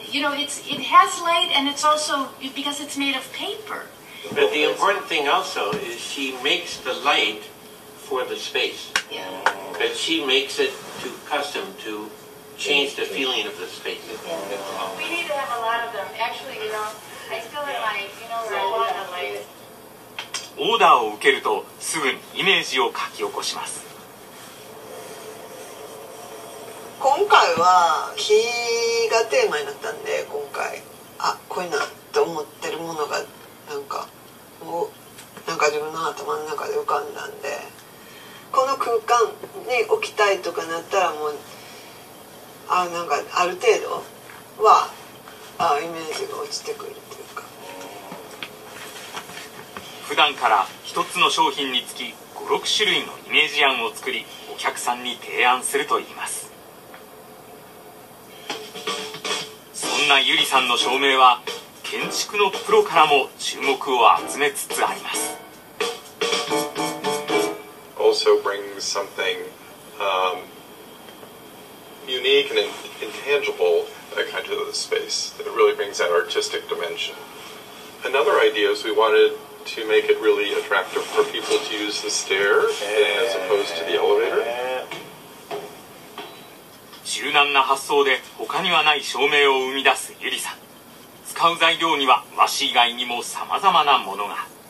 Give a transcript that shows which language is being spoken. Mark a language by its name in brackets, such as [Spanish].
[English] You know, it has light, and it's also because it's made of paper. But the important thing also is she makes the light for the space. Yeah. But she makes it to custom to change the feeling of the space. We need to have a lot of them. Actually, you know, I still in my, you know, where I want to lay. [Japanese] オーダーを受けるとすぐにイメージを書き起こします。今回は火がテーマになったんで、今回あこういうなと思ってるものがなんかおなんか自分の頭の中で浮かんだんで。この空間に置きたいとかなったらもう、なんかある程度はイメージが落ちてくるというか。普段から一つの商品につき 5,6 種類のイメージ案を作り、お客さんに提案するといいます。そんなゆりさんの照明は建築のプロからも注目を集めつつあります。 [English] Also brings something unique and intangible kind of the space. It really brings that artistic dimension. Another idea is we wanted to make it really attractive for people to use the stair as opposed to the elevator. [Japanese] 柔軟な発想で他にはない照明を生み出すゆりさん。使う材料には和紙以外にも様々なものが。